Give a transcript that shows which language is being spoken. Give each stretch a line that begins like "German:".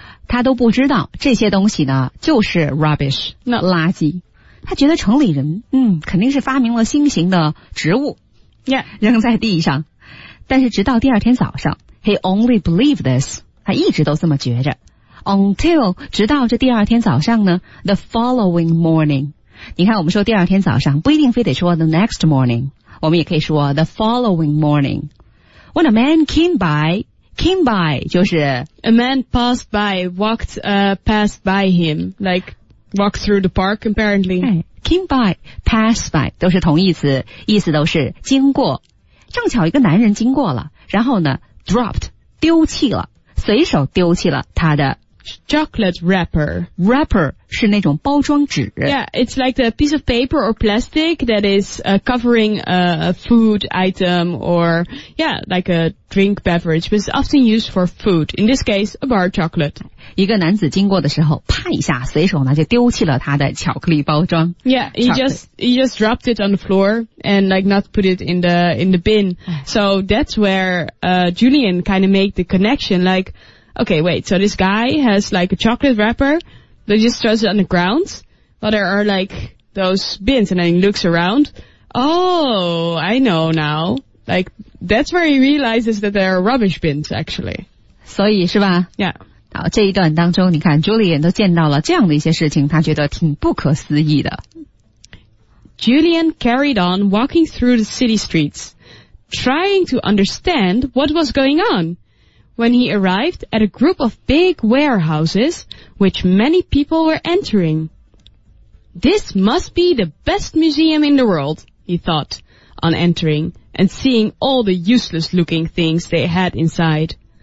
Chinese: 他都不知道这些东西呢就是 rubbish, 垃圾。他觉得城里人肯定是发明了新型的植物、
English: yeah.
Chinese: 扔在地上。但是直到第二天早上
English: he only believed this,
Chinese: 他一直都这么觉着。 Until, 直到这第二天早上呢
English: the following morning,
Chinese: 你看我们说第二天早上不一定非得说
English: the next morning,
Chinese: 我们也可以说 the following morning.
English: When a man came by
Chinese: 就是
English: a man passed by, passed by him, likewalk through the park, apparently. Came by, pass by,
Chinese: 都是同义词，意思都是经过。正巧一个男人经过了，然后呢 ,dropped, 丢弃了，随手丢弃了他的
English: chocolate wrapper.
Chinese: Wrapper 是那种包装纸。
English: Yeah, it's like a piece of paper or plastic that is covering a food item or, yeah, like a drink beverage, but it's often used for food. In this case, a bar of chocolate.
Chinese: 一个男子经过的时候啪一下随手呢就丢弃了他的巧克力包装。
English: Yeah, he just dropped it on the floor and like not put it in the bin. So that's where, Julian kind of make the connection like, okay, wait, so this guy has like a chocolate wrapper, but he just throws it on the ground, but there are like those bins and then he looks around. Oh, I know now. Like, that's where he realizes that there are rubbish bins actually.
Chinese: 所以是吧
English: Yeah.
Chinese: 好，这一段当中你看 Julian 都见到了这样的一些事情，他觉得挺不可思议的。
English: Julian carried on walking through the city streets, trying to understand what was going on. When he arrived at a group of big warehouses, which many people were entering. This must be the best museum in the world, he thought, on entering and seeing all the useless looking things they had inside.